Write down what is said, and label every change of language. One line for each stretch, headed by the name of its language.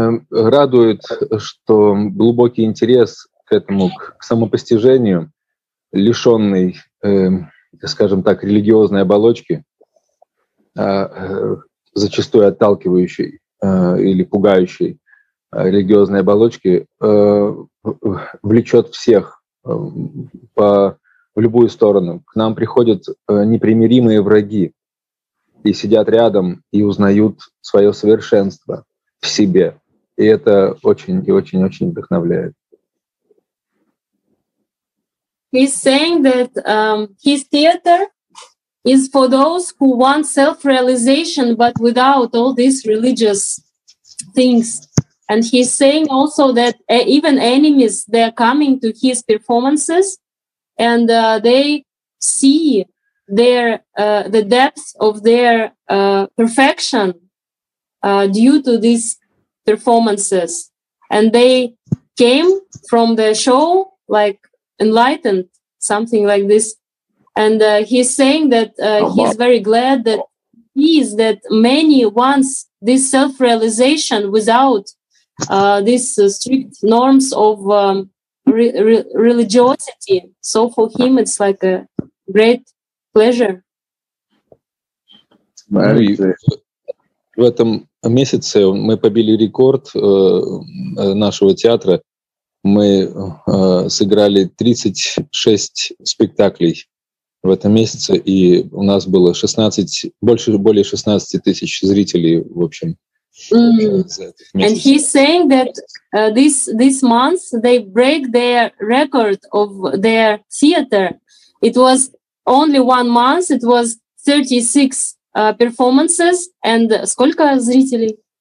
Russian: Радует, что глубокий интерес к этому, к самопостижению, лишенный, скажем так, религиозной оболочки, зачастую отталкивающей или пугающей религиозной оболочки, влечет всех в любую сторону. К нам приходят непримиримые враги и сидят рядом и узнают свое совершенство в себе. И это очень и очень-очень вдохновляет.
English: He's saying that his theater is for those who want self-realization, but without all these religious things. And he's saying also that even enemies, they're coming to his performances, and they see the depth of their perfection due to these performances. And they came from the show like enlightened, something like this. And he's saying that he's very glad that he is that many wants this self-realization without these strict norms of religiosity. So for him it's like a great pleasure.
Russian: Ну, в этом месяце мы побили рекорд нашего театра. Мы сыграли 36 спектаклей в этом месяце, и у нас было 16 тысяч зрителей, в общем.
English: And he's saying that this month they break their record of their theater. It was only one month. It was 36 performances. And
Russian: сколько зрителей?